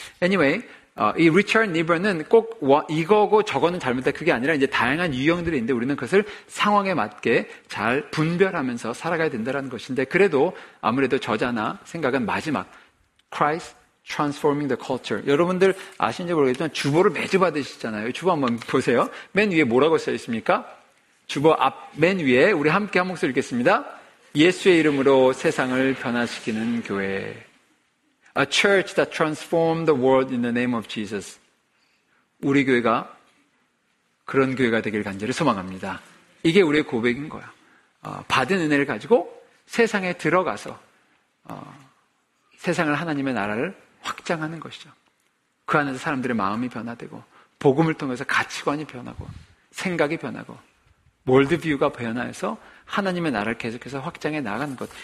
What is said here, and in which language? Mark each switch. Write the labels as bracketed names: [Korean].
[Korean] Anyway, 이 리처드 니버는 꼭 이거고 저거는 잘못된 그게 아니라 이제 다양한 유형들이 있는데 우리는 그것을 상황에 맞게 잘 분별하면서 살아가야 된다는 것인데 그래도 아무래도 저자나 생각은 마지막 [English] Christ transforming the culture. [Korean] 여러분들 아시는지 모르겠지만 주보를 매주 받으시잖아요. 주보 한번 보세요. 맨 위에 뭐라고 써 있습니까? 주보 앞 맨 위에 우리 함께 한 목소리 읽겠습니다. 예수의 이름으로 세상을 변화시키는 교회. [English] A church that transformed the world in the name of Jesus. [Korean] 우리 교회가 그런 교회가 되길 간절히 소망합니다. 이게 우리의 고백인 거야. 받은 은혜를 가지고 세상에 들어가서 세상을 하나님의 나라를 확장하는 것이죠. 그 안에서 사람들의 마음이 변화되고 복음을 통해서 가치관이 변하고 생각이 변하고 월드뷰가 변화해서 하나님의 나라를 계속해서 확장해 나가는 것.